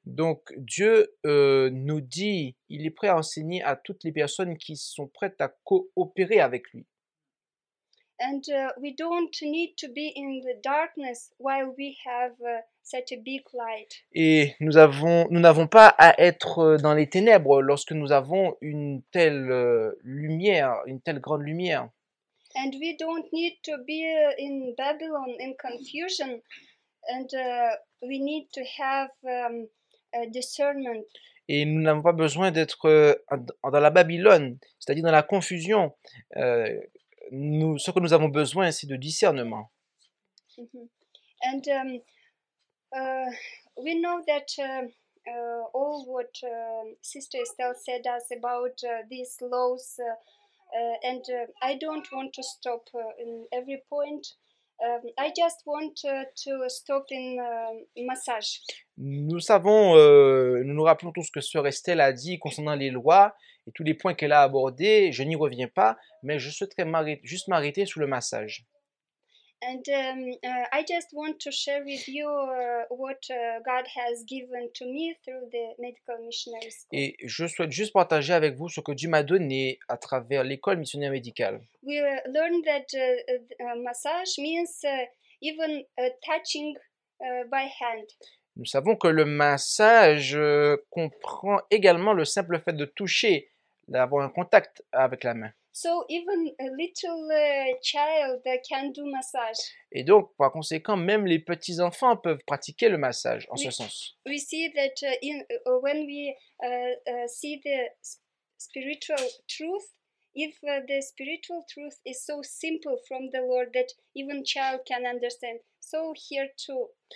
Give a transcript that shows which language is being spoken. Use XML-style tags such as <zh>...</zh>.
<fr>Donc Dieu nous dit, il est prêt à enseigner à toutes les personnes qui sont prêtes à coopérer avec lui.</fr> <en>And we don't need to be in the darkness while we have such a big light.</en> <fr>Et nous n'avons pas à être dans les ténèbres lorsque nous avons une telle lumière, une telle grande lumière.</fr> <en>And we don't need to be in Babylon in confusion, and we need to have a discernment.</en> <fr>Et nous n'avons pas besoin d'être dans la Babylone, c'est-à-dire dans la confusion. Nous, ce que nous avons besoin, c'est de discernement. Mm-hmm.</fr> <en>And we know that all what Sister Estelle said us about these laws And I don't want to stop in every point. I just want to stop in massage.</en> <fr>Nous savons, nous nous rappelons tous ce que Sœur Estelle a dit concernant les lois et tous les points qu'elle a abordés. Je n'y reviens pas, mais je souhaiterais m'arrêter sur le massage.</fr> <en>And I just want to share with you what God has given to me through the medical missionary school.</en> <fr>Et je souhaite juste partager avec vous ce que Dieu m'a donné à travers l'école missionnaire médicale.</fr> <en>We learned that massage means even touching by hand.</en> <fr>Nous savons que le massage comprend également le simple fait de toucher, d'avoir un contact avec la main.</fr> <en>So even a little child can do massage.</en> <fr>Et donc, par conséquent, même les petits enfants peuvent pratiquer le massage en ce sens.</fr> <en>We see that in when we see the spiritual truth, if the spiritual truth is so simple from the Lord that even child can understand, so here too.</en>